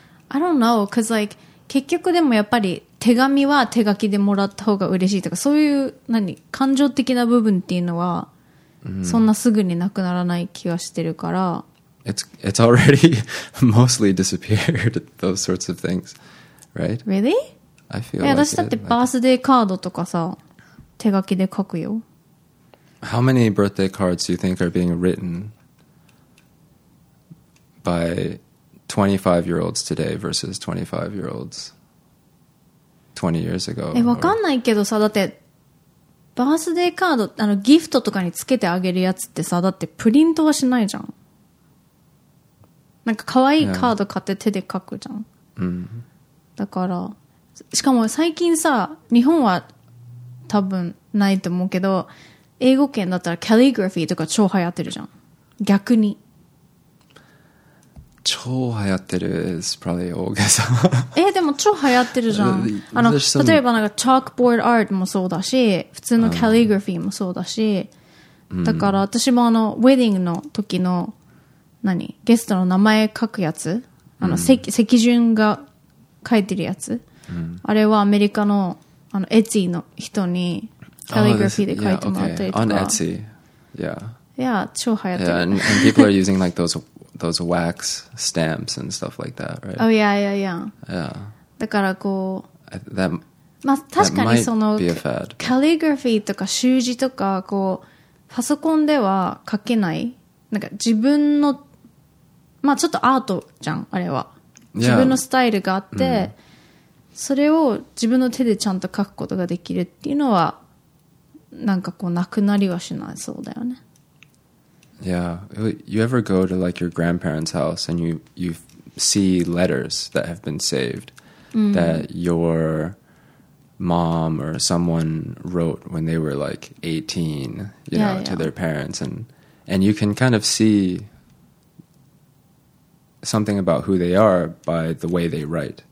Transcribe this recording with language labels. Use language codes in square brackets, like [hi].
[en] I don't know, because like, [ja] 結局でもやっぱり手紙は手書きでもらった方が嬉しいとか、そういう何感情的な部分っていうのはそんなすぐになくならない気がしてるから。 [en] It's already mostly disappeared, those sorts of things, right? Really? I feel like it. [ja] 私だってバースデーカードとかさ、手書きで書くよ。 [en] How many birthday cards do you think are being written by 25-year-olds today versus 25-year-olds 20 years ago? [ja] わかんないけどさ、だってバースデーカード、あのギフトとかにつけてあげるやつってさ、だってプリントはしないじゃん。なんか可愛いカード買って手で書くじゃん、 [en] yeah. mm-hmm. [ja] だからしかも最近さ、日本は多分ないと思うけど、英語圏だったらカリグラフィーとか超流行ってるじゃん。逆に超流行ってる [en] is probably [ja] 大げさ。でも超流行ってるじゃん。あの例えばなんかチョークボードアートもそうだし、普通のカリグラフィーもそうだし、だから私もあのウェディングの時の何ゲストの名前書くやつ、あの、うん、席順が書いてるやつ、あれはアメリカのあのエッジの人にカリグラフィーで書いてもらったりとか。 [en] On Etsy, yeah. Yeah, [ja] 超流行ってる。 [en] Yeah, and people are using like those wax stamps and stuff like that, right? Oh, yeah, yeah, yeah. Yeah. [ja] だからこう、 [en] that, [ja] まあ確かにそのカリグラフィーとか習字とかこうパソコンでは書けない。なんか自分のまあちょっとアートじゃんあれは。 [en] Yeah. [ja] 自分のスタイルがあって、それを自分の手でちゃんと書くことができるっていうのは。なんかこうなくなりはしないそうだよね。 [en] Yeah, you ever go to like your grandparents' house and you see letters that have been saved、that your mom or someone wrote when they were like 18, you know, to their parents, and you can kind of see something about who they are by the way they write.